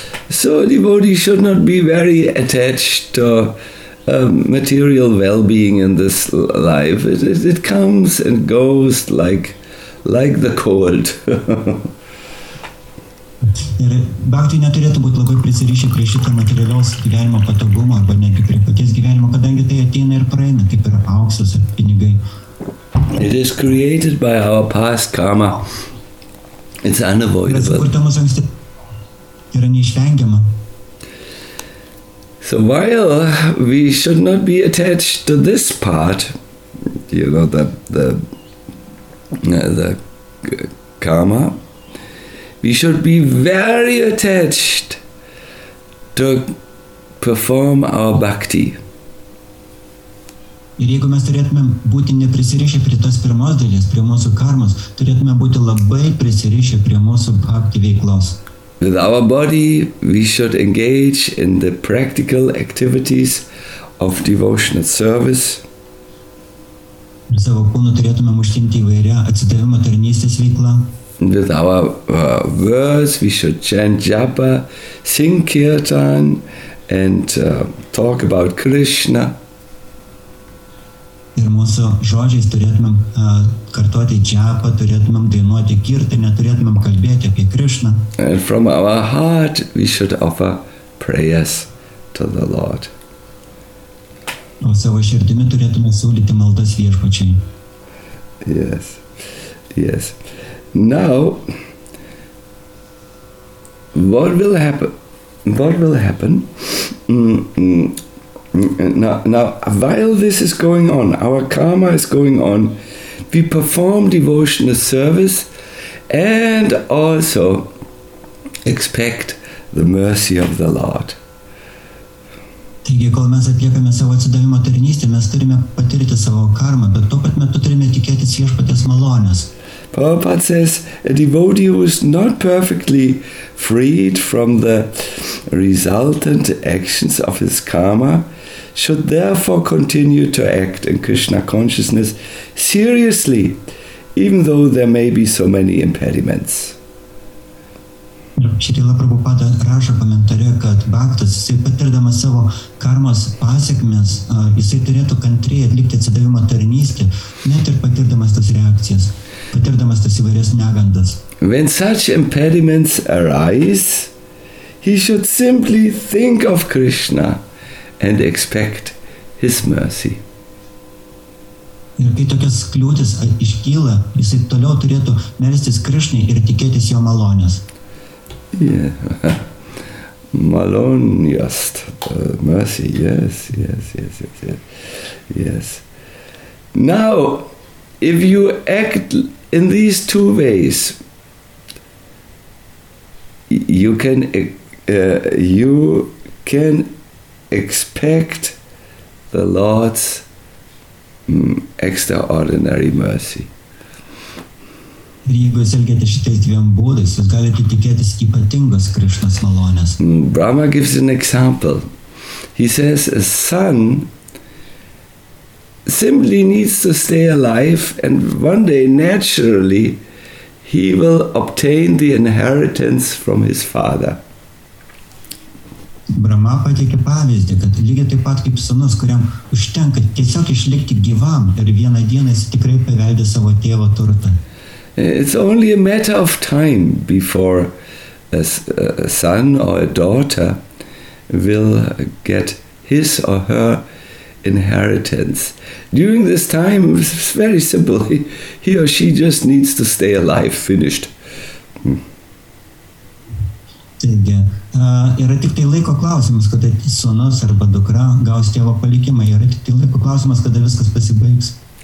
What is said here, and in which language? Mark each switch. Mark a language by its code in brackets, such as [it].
[en] So a devotee should not be very attached to material well-being in this life. It comes and goes like the cold. [lt] Ir bhakti neturėtų būti labai prisirišę prie šito materialios gyvenimo patogumo arba netgi prie paties gyvenimo, kadangi tai ateina ir praeina, kaip yra auksas ir pinigai. [en] It is created by our past karma. It's unavoidable. [lt] Yra neišvengiama. [en] So while we should not be attached to this part, you know, the karma, we should be very attached to perform our bhakti. [lt] Ir jeigu mes turėtumėm būti neprisirišę prie tos pirmos dalies, prie mūsų karmos, turėtumėm būti labai prisirišę prie mūsų bhakti veiklos. [en] With our body, we should engage in the practical activities of devotional service. [lt] Ir savo kūnų turėtumėm užsiimti įvairią atsidavimo tarnystės veiklą. [en] With our words, we should chant japa, sing kirtan, and talk about Krishna. [lt] Ir mūsų žodžiais turėtumėm kartoti džiapą, turėtumėm dainuoti kirtinę, turėtumėm kalbėti apie Krishna. [en] And from our heart we should offer prayers to the Lord. [lt] O savo širdimi turėtumėm siūlyti maldas viešpačiai. [en] Yes, yes. Now, what will happen? Now, while this is going on, our karma is going on, we perform devotional service and also expect the mercy of the Lord. [lt] Taigi, kol mes atliekame savo atsidavimo tarnystę, mes turime patirti savo karmą, bet tuo pat metu turime tikėtis viešpaties malonės. [en] Prabhupada says, a devotee who is not perfectly freed from the resultant actions of his karma should therefore continue to act in Krishna consciousness seriously, even though there may be so many impediments. [lt] Srila Prabhupada rašo komentare, kad bhaktas, jis patirdamas savo karmos pasekmes, jis turėtų kantriai atlikti atsidavimo tarnystę, net ir patirdamas tas reakcijas. Patirdamas tas įvairias negandas. [en] When such impediments arise, he should simply think of Krishna and expect his mercy. [lt] Ir kai tokias kliūtis iškyla, jis toliau turėtų melstis Krishnai ir tikėtis jo malonės. Yeah. Maloniast. [en] Mercy, yes, yes, yes, yes, yes. Yes. Now, if you act in these two ways, you can expect the Lord's extraordinary mercy. [lt] Jeigu jūs elgiate šitais dviem būdais, jūs galite tikėtis ypatingos Krishnos malonės. [en] Brahma gives an example. He says a son simply needs to stay alive and one day naturally he will obtain the inheritance from his father. [lt] Brahma pateikė pavyzdį, kad lygiai taip pat kaip sūnus, kuriam užtenka tiesiog išlikti gyvam ir vieną dieną jis tikrai paveldė savo tėvo turtą. [en] It's only a matter of time before a son or a daughter will get his or her inheritance. During this time, it's very simple. He or she just needs to stay alive, finished. [lt] Taigi, yra tik tai laiko klausimas, kada sūnus arba dukra gaus tėvo palikimą. Yra tik tai laiko klausimas, kada viskas pasibaigs.